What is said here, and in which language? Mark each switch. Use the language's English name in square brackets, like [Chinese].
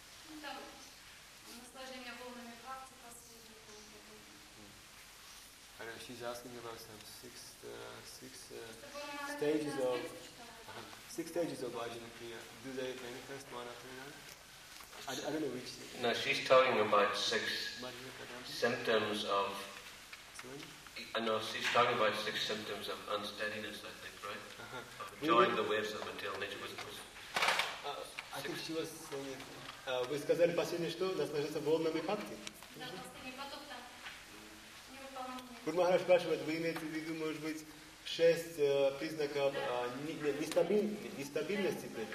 [Russian] Ну, там, наслаждение волнами бхакти, последний пункт. [English] She's asking about some six stages of bhajana kriya. Do they manifest one after another? I don't know which. No, she's talking about six symptoms of... she's talking about six symptoms of unsteadiness, I think, right? Uh-huh. Of enjoying the waves of material nature. I think she was saying... [Russian] Вы сказали последнее, что наслаждаться волнами бхакти? Да, последний поток там. Невыполнение. Гуру Махарадж спрашивает, вы имеете в виду, может быть, шесть признаков нестабильности?